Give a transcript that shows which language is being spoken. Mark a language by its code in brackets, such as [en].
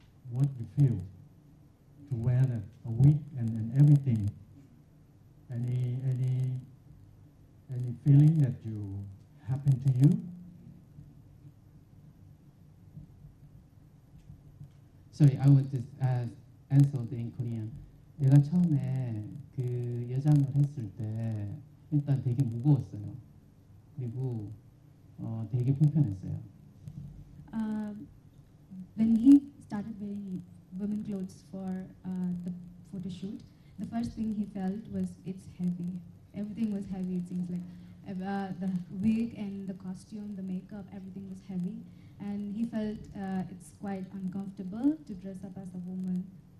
[en] What you feel to wear that, a wig and everything? Any feeling that you happened to you? Sorry, I want to answer the in Korean. [ko] 내가 처음에 그 여장을 했을 때 일단 되게 무거웠어요. 그리고 되게 불편했어요. [en] When he started wearing women clothes for the photo shoot, the first thing he felt was it's heavy. Everything was heavy, it seems like. The wig and the costume, the makeup, everything was heavy. And he felt it's quite uncomfortable to dress up as a woman.